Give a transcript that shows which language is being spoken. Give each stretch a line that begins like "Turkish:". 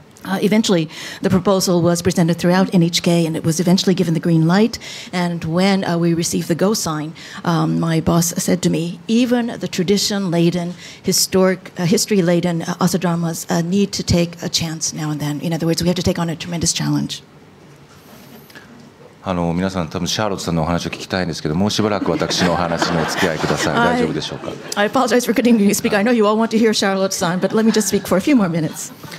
English: Eventually, the proposal was presented throughout NHK, and it was eventually given the green light. And when we received the go sign, my boss said to me, even the tradition-laden, history-laden Asa dramas need to take a chance now and then. In other words, we have to take on a tremendous challenge.
Japanese: 皆さん、多分シャーロットさんのお話を聞きたいんですけど、もうしばらく私のお話にお付き合いください。大丈夫でしょうか。
English: I apologize for continuing to speak. I know you all want to hear Charlotte さん, but let me just speak for a few more minutes.